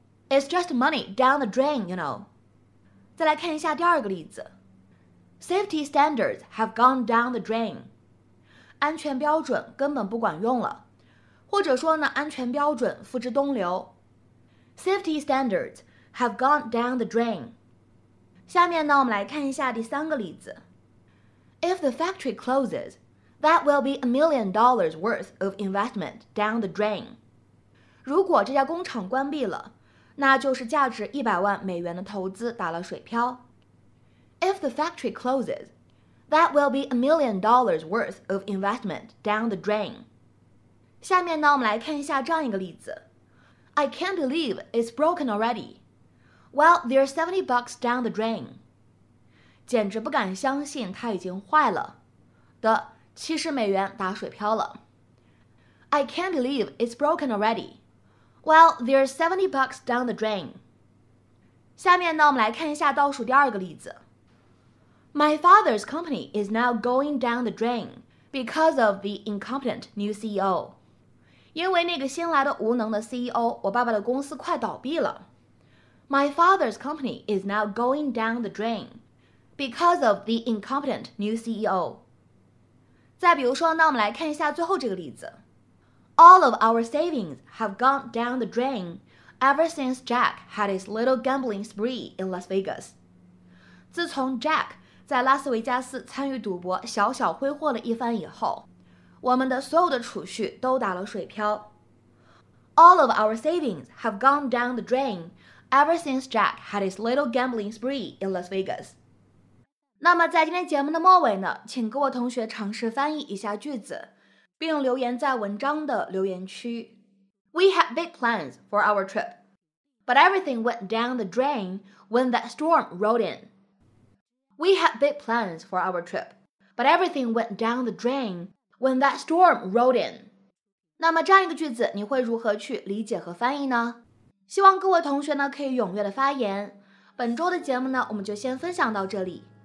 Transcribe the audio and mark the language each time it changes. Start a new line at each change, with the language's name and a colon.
English: It's just money down the drain, you know.
Chinese: 再来看一下第二个例子。
English: Safety standards have gone down the drain.
Chinese: 安全标准根本不管用了。或者说呢，安全标准付之东流。
English: Safety standards have gone down the drain.
Chinese: 下面呢，我们来看一下第三个例子。
English: If the factory closes, that will be $1 million worth of investment down the drain.
Chinese: 如果这家工厂关闭了，那就是价值$1,000,000的投资打了水漂。
English: If the factory closes, that will be $1 million worth of investment down the drain.
Chinese: 下面呢，我们来看一下这样一个例子。
English: I can't believe it's broken already. Well, there's $70 down the drain.
Chinese: 简直不敢相信它已经坏了。的$70打水漂了。
English: I can't believe it's broken already. Well, there's $70 down the drain.
Chinese: 下面呢，我们来看一下倒数第二个例子。
English: My father's company is now going down the drain because of the incompetent new CEO.
Chinese: 因为那个新来的无能的 CEO, 我爸爸的公司快倒闭了。
English: My father's company is now going down the drain because of the incompetent new CEO.
Chinese: 再比如说呢，我们来看一下最后这个例子。
English: All of our savings have gone down the drain ever since Jack had his little gambling spree in Las Vegas.
Chinese: 自从 Jack在拉斯维加斯参与赌博小小挥霍了一番以后，我们的所有的储蓄都打了水漂。
English: All of our savings have gone down the drain ever since Jack had his little gambling spree in Las Vegas.
Chinese: 那么在今天节目的末尾呢，请各位同学尝试翻译一下句子，并留言在文章的留言区。
English: We had big plans for our trip, but everything went down the drain when that storm rolled in. We had big plans for our trip, but everything went down the drain when that storm rolled in.
Chinese: 那么这样一个句子你会如何去理解和翻译呢？希望各位同学呢可以踊跃的发言。本周的节目呢我们就先分享到这里。